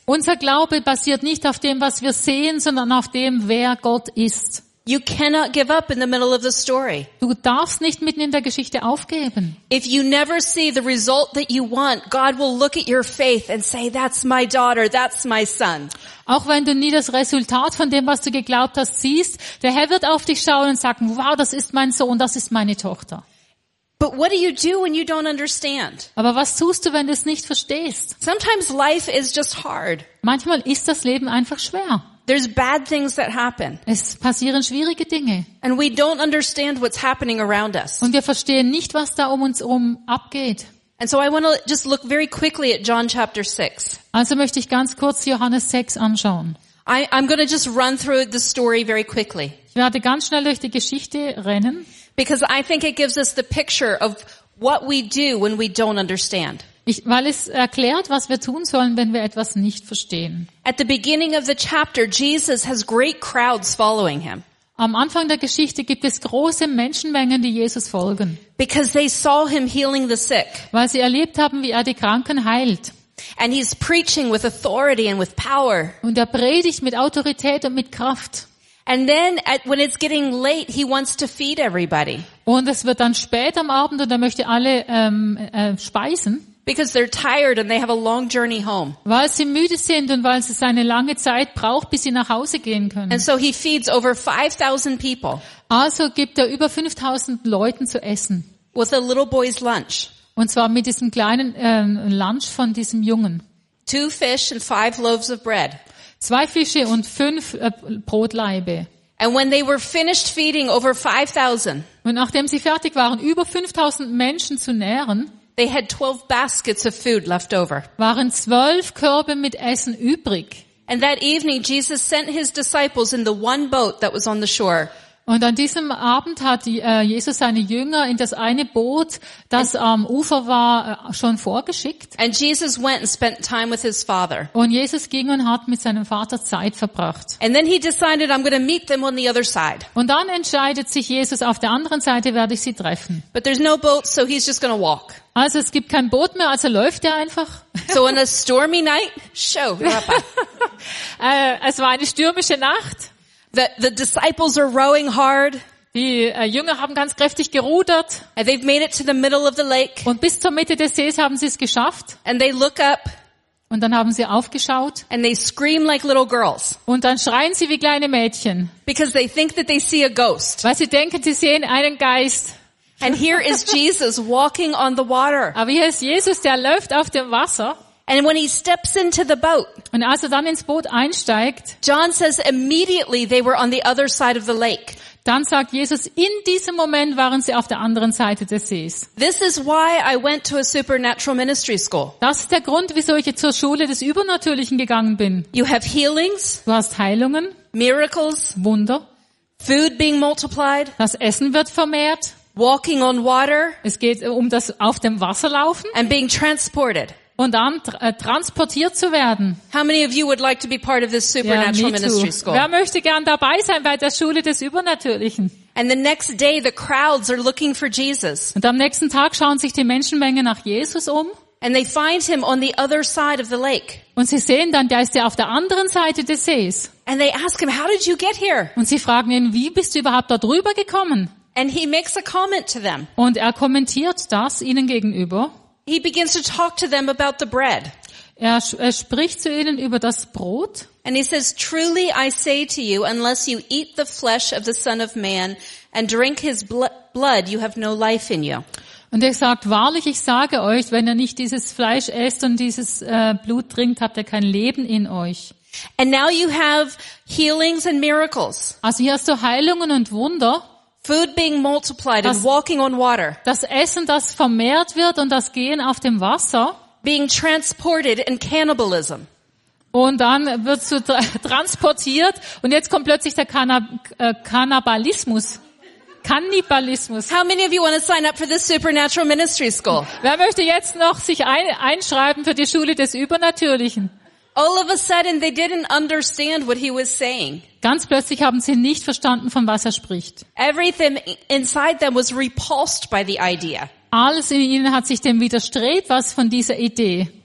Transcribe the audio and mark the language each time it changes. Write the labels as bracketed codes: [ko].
[de] Unser Glaube basiert nicht auf dem, was wir sehen, sondern auf dem, wer Gott ist. [en] You cannot give up in the middle of the story. [de] Du darfst nicht mitten in der Geschichte aufgeben. [en] If you never see the result that you want, God will look at your faith and say, "That's my daughter. That's my son." [de] Auch wenn du nie das Resultat von dem, was du geglaubt hast, siehst, der Herr wird auf dich schauen und sagen, "Wow, das ist mein Sohn. Das ist meine Tochter." [en] But what do you do when you don't understand? [de] Aber was tust du, wenn du es nicht verstehst? [en] Sometimes life is just hard. [de] Manchmal ist das Leben einfach schwer. [en] There's bad things that happen. [de] Es passieren schwierige Dinge. [en] And we don't understand what's happening around us. [de] Und wir verstehen nicht, was da um uns herum abgeht. [en] And so I want to just look very quickly at John chapter 6. [de] Also möchte ich ganz kurz Johannes 6 anschauen. [en] I'm going to just run through the story very quickly. [de] Ich werde ganz schnell durch die Geschichte rennen. [en] Because I think it gives us the picture of what we do when we don't understand. [de] Weil es erklärt, was wir tun sollen, wenn wir etwas nicht verstehen. [en] At the beginning of the chapter, Jesus has great crowds following him. [de] Am Anfang der Geschichte gibt es große Menschenmengen, die Jesus folgen. [en] Because they saw him healing the sick. [de] Weil sie erlebt haben, wie er die Kranken heilt. [en] And he's preaching with authority and with power. [de] Und er predigt mit Autorität und mit Kraft. [en] And then when it's getting late, he wants to feed everybody. [de] Und es wird dann spät am Abend und er möchte alle speisen. [en] Because they're tired and they have a long journey home. [de] Weil sie müde sind und weil es eine lange Zeit braucht, bis sie nach Hause gehen können. [en] And so he feeds over 5,000 people. [de] Also gibt er über 5,000 Leuten zu essen. [en] With a little boy's lunch. [de] Und zwar mit diesem kleinen Lunch von diesem Jungen. [en] 2 fish and 5 loaves of bread. [de] 2 Fische und 5 Brotlaibe. [en] And when they were finished feeding over 5,000. [de] Und nachdem sie fertig waren, über 5,000 Menschen zu nähren, [en] they had 12 baskets of food left over. [de] Waren 12 Körbe mit Essen übrig. [en] And that evening Jesus sent his disciples in the one boat that was on the shore. [de] Und an diesem Abend hat Jesus seine Jünger in das eine Boot, das am Ufer war, schon vorgeschickt. [en] And Jesus went and spent time with his father. [de] Und Jesus ging und hat mit seinem Vater Zeit verbracht. [en] And then he decided, I'm going to meet them on the other side. [de] Und dann entscheidet sich Jesus, auf der anderen Seite werde ich sie treffen. [en] But there's no boat, so he's just going to walk. [de] Also es gibt kein Boot mehr, also läuft er einfach. [en] So on a stormy night, show. [de] Es war eine stürmische Nacht. [en] The disciples are rowing hard. [de] Die Jünger haben ganz kräftig gerudert. [en] And they've made it to the middle of the lake. [de] Und bis zur Mitte des Sees haben sie es geschafft. [en] And they look up. [de] Und dann haben sie aufgeschaut. [en] And they scream like little girls. [de] Und dann schreien sie wie kleine Mädchen. [en] Because they think that they see a ghost. [de] Weil sie denken, sie sehen einen Geist. [en] And here is Jesus walking on the water. [de] Aber hier ist Jesus, der läuft auf dem Wasser. [en] And when he steps into the boat, [de] und als er dann ins Boot einsteigt, [en] John says immediately they were on the other side of the lake. [de] Dann sagt Jesus, in diesem Moment waren sie auf der anderen Seite des Sees. [en] This is why I went to a supernatural ministry school. [de] Das ist der Grund, wieso ich jetzt zur Schule des Übernatürlichen gegangen bin. [en] You have healings, [de] du hast Heilungen, [en] miracles, [de] Wunder, [en] food being multiplied, [de] das Essen wird vermehrt, [en] walking on water, [de] es geht um das auf dem Wasser laufen, [en] and being transported. [de] Und dann transportiert zu werden. [en] How many of you would like to be part of this supernatural ministry school? [de] Wer möchte gern dabei sein bei der Schule des Übernatürlichen? [en] And the next day the crowds are looking for Jesus. [de] Und am nächsten Tag schauen sich die Menschenmenge nach Jesus um. [en] And they find him on the other side of the lake. [de] Und sie sehen dann, der ist ja auf der anderen Seite des Sees. [en] And they ask him, how did you get here? [de] Und sie fragen ihn, wie bist du überhaupt da drüber gekommen? [en] And he makes a comment to them. [de] Und er kommentiert das ihnen gegenüber. [en] He begins to talk to them about the bread. [de] Er spricht zu ihnen über das Brot. [en] And he says, truly I say to you, unless you eat the flesh of the Son of Man and drink his blood, you have no life in you. [de] Und er sagt, wahrlich, ich sage euch, wenn ihr nicht dieses Fleisch esst und dieses Blut trinkt, habt ihr kein Leben in euch. [en] And now you have healings and miracles. [de] Also hier hast du Heilungen und Wunder. [en] Food being multiplied and walking on water. [de] Das Essen, das vermehrt wird und das Gehen auf dem Wasser. [en] Being transported and cannibalism. [de] Und dann wirst du transportiert und jetzt kommt plötzlich der Kannibalismus. Kannibalismus. [en] How many of you want to sign up for this supernatural ministry school? [de] Wer möchte jetzt noch sich einschreiben für die Schule des Übernatürlichen? [en] All of a sudden they didn't understand what he was saying. [de] Ganz plötzlich haben sie nicht verstanden, von was er spricht. [en] Everything inside them was repulsed by the idea. [de] Alles in ihnen hat sich dem widerstrebt, was von dieser Idee.